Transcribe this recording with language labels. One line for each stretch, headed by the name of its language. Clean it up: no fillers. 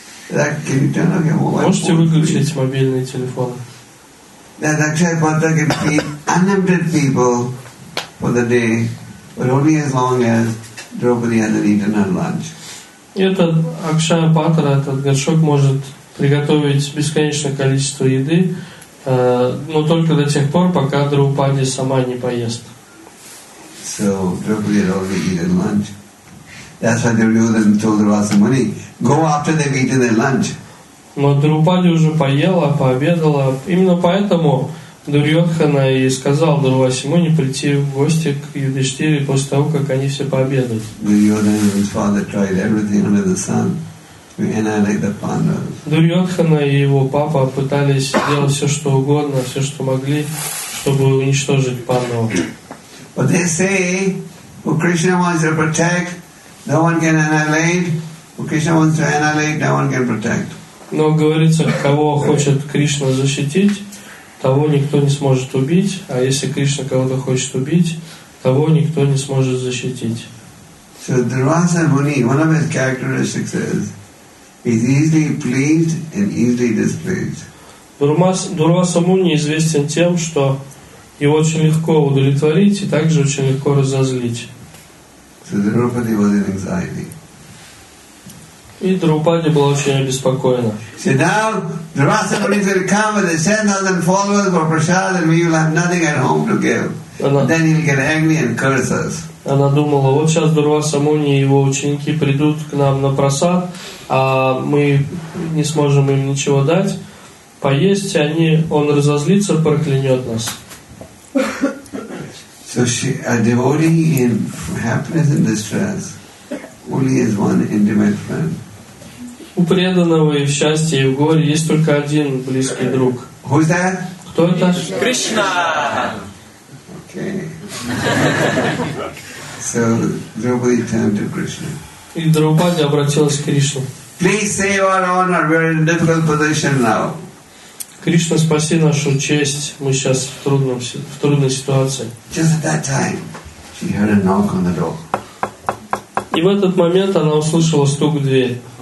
Russian: Можете выключить мобильные телефоны?
English: That Akshaya Patra can feed unlimited people for the day, but only as long as Draupadi has eaten her lunch.
Russian: Этот Акшая Патра, этот горшок может приготовить бесконечное количество еды, но только до тех пор, пока Драупади сама не поест.
English: So Draupadi has already eaten lunch. That's why Duryodhan told Rasa Muni, go after they've eaten their lunch.
Russian: Но Друпади уже поела, пообедала. Именно поэтому Дурьотхана и сказал Дурвасе Муни прийти в гости к Юдиштхире после того, как они все пообедают.
English: Duryodhan and his father tried everything under the sun to annihilate the Pandavas.
Russian: Дурьотхана и его папа пытались делать все, что угодно, все, что могли, чтобы уничтожить Пандаву.
English: But they say, who Krishna wants to protect, no one can annihilate. Who Krishna wants to annihilate, no one can protect.
Russian: Но говорится, кого хочет Кришна защитить, того никто не сможет убить, а если Кришна кого-то хочет убить, того никто не сможет защитить.
English: So Dharmasa Muni, one of his characteristics is he's easily pleased and easily displeased.
Russian: Дурваса Муни известен тем, что его очень легко удовлетворить и также очень легко разозлить.
English: So Draupadi was in anxiety.
Russian: И Драупади была очень обеспокоена.
English: So now Dharmasa Muni will come with 10,000 followers for prasad, and we will have nothing at home to give. Then he'll get angry and curse us.
Russian: Она думала, вот сейчас Дурваса Муни и его ученики придут к нам на просад, а мы не сможем им ничего дать. Поесть он разозлится, проклянет нас.
English: So she, a devotee in happiness and distress. only is one intimate friend.
Russian: У преданного и в счастье, и в горе есть только один близкий друг.
English: Who is that?
Russian: Кто это? Кришна!
English: So Draupadi turned to Krishna.
Russian: И Драупади обратилась к Кришне.
English: Please save our honor. We are in a difficult position now.
Russian: Кришна, спаси нашу честь. Мы сейчас в трудной ситуации.
English: Just at that time, she heard a knock on the door.
Russian: И в этот момент она услышала стук в дверь.